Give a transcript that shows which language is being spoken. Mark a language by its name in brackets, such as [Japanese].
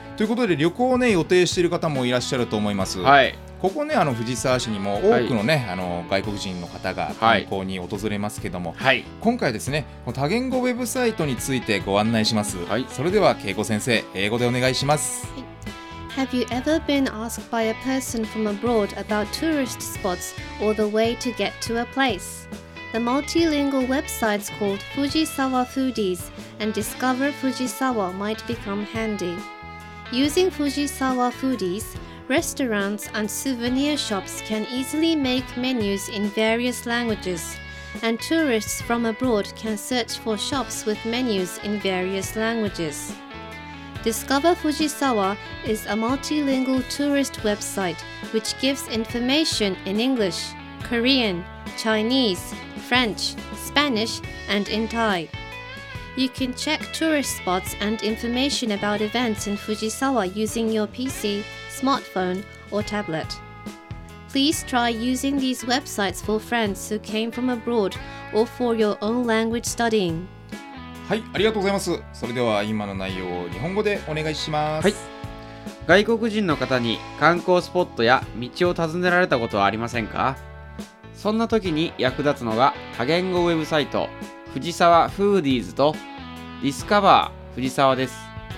[Japanese] い、ということで、旅行をね予定している方もいらっしゃると思います。はい、ここね、あの藤沢市にも多くのね、はい、あの外国人の方が観光に訪れますけども、はい、今回ですね、この多言語ウェブサイトについてご案内します。はい、それでは恵子先生、英語でお願いします。 [English] はい、Have you ever been asked by a person from abroad about tourist spots or the way to get to a place? The multilingual websites called Fujisawa Foodies and Discover Fujisawa might become handy. Using Fujisawa Foodies,Restaurants and souvenir shops can easily make menus in various languages, and tourists from abroad can search for shops with menus in various languages. Discover Fujisawa is a multilingual tourist website which gives information in English, Korean, Chinese, French, Spanish, and in Thai. You can check tourist spots and information about events in Fujisawa using your PC. Smartphone or tablet. Please try using these websites for friends who came from abroad or for your own language studying. [Japanese] はい、ありがとうございます。それでは今の内容を日本語でお願いします。はい、外国人の方に観光スポットや道を尋ねられたことはありませんか？そんな時に役立つのが多言語ウェブサイト藤沢フーディーズとディスカバー藤沢です。